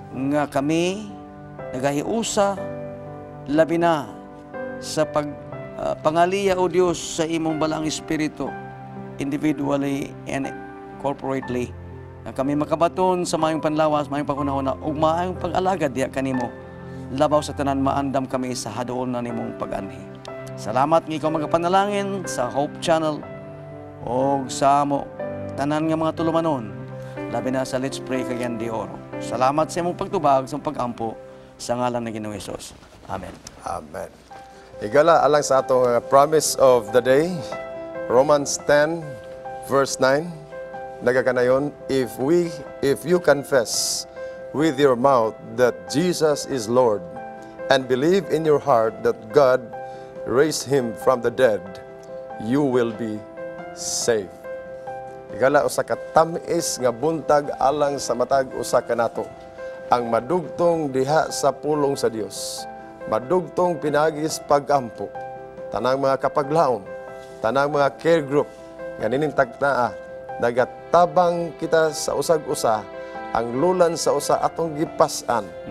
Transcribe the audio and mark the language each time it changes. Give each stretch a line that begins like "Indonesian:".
Cebuano: nga kami nagahiusa labi na sa pangaliya o Dios sa imong balang espiritu
English: individually and corporately
Cebuano: nga kami makabaton sa maayong panlawas, maayong pangunahuna ug maayong pag-alagad diha kanimo labaw sa tanan maandam kami sa hadoon na nimong pag-anhi. Salamat nga ikaw magpanalangin sa Hope Channel o sa amo tanan nga mga tulumanon labi na sa Let's Pray kay Gandhi Oro. Salamat sa imong pagtubag sa pag-ampo sa ngalan ng Ginoong Hesus. Amen. Amen. Igala alang sa atong
English: promise of the day, Romans 10 verse 9,
Cebuano: nagakanayon,
English: if you confess with your mouth that Jesus is Lord and believe in your heart that God raise him from the dead, you will be saved.
Cebuano: Igala usa ka tamis nga buntag alang sa matag usa ka nato ang madugtong diha sa pulong sa Dios, madugtong pinagis pagampo tanang mga kapaglaom, tanang mga care group nga nining nagatabang kita sa usag-usa ang lulan sa usa atong gipas-an.